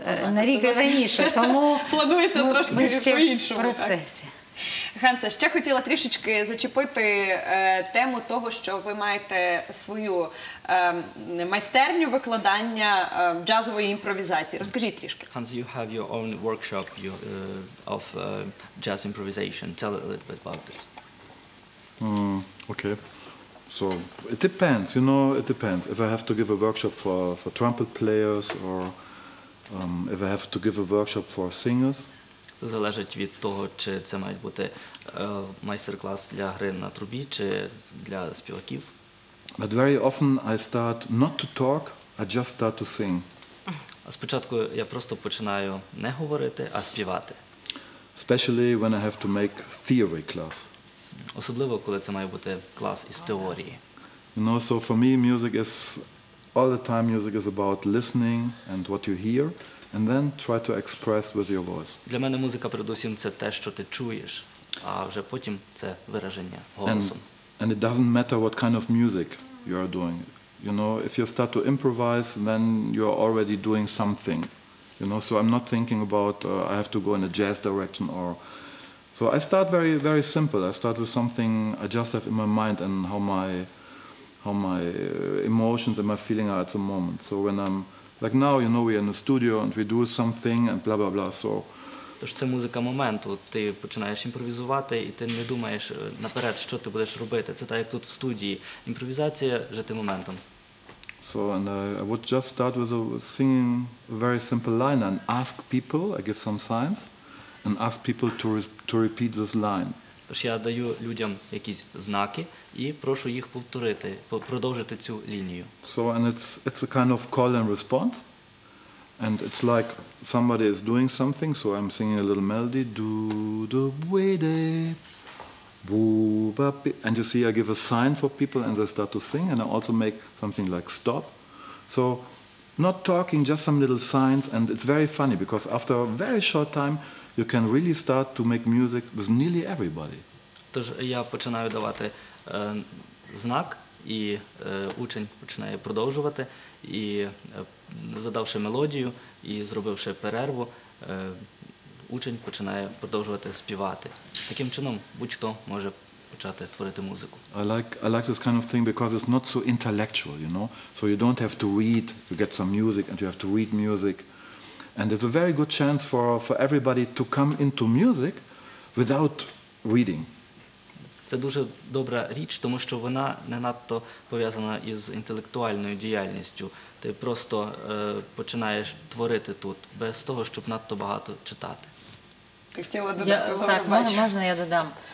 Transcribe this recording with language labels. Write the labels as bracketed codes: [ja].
[uk] На рік раніше, тому планується трошки по-іншому. В процесі. Ханса, ще хотіла трішечки зачепити тему того, що ви маєте свою майстерню викладання джазової імпровізації. Розкажіть трішки. [en] Ханс, you have your own workshop of jazz improvisation. Tell a little bit about this. Okay. So, it depends, you know, it depends. If I have to give a workshop for trumpet players or if I have to give a workshop for singers. [uk] Це залежить від того, чи це має бути майстер-клас для гри на трубі, чи для співаків. [en] But very often I start not to talk, I just start to sing. [uk] А спочатку я просто починаю не говорити, а співати. [en] Especially when I have to make theory class. [uk] Особливо, коли це має бути клас із теорії. [en] You know, so for me music is, all the time music is about listening and what you hear. And then try to express with your voice. [uk] Для мене музика передусім це те, що ти чуєш, а вже потім це вираження голосом. [en] And it doesn't matter what kind of music you are doing. You know, if you start to improvise, then you are already doing something. You know, so I'm not thinking about I have to go in a jazz direction or so I start very very simple. I start with something I just have in my mind and how my emotions and my feeling are at the moment. So when I'm like now, you know, we are in the studio and we do something and blah blah blah. So. [uk] Тож це музика моменту. Ти починаєш імпровізувати і ти не думаєш наперед, що ти будеш робити. Це так, як тут в студії. Імпровізація жити моментом. [en] So and I would just start with singing a very simple line and ask people, I give some signs and ask people to repeat this line. [uk] Тож я даю людям якісь знаки і прошу їх повторити, продовжити цю лінію. [en] So and it's a kind of call and response. And it's like somebody is doing something, so I'm singing a little melody, do do wede. And you see I give a sign for people and they start to sing and I also make something like stop. So not talking, just some little signs and it's very funny because after a very short time you can really start to make music with nearly everybody. [uk] Тож я починаю давати знак, і учень починає продовжувати, і задавши мелодію, і зробивши перерву, учень починає продовжувати співати. Таким чином будь-хто може почати творити музику. [en] I like this kind of thing because it's not so intellectual, you know? So you don't have to read, you get some music and you have to read music. And it's a very good chance for everybody to come into music without reading. [uk] Це дуже добра річ, тому що вона не надто пов'язана із інтелектуальною діяльністю. Ти просто починаєш творити тут без того, щоб надто багато читати. Ти хотіла додати Лаврі, так, бачу. Можна я додам?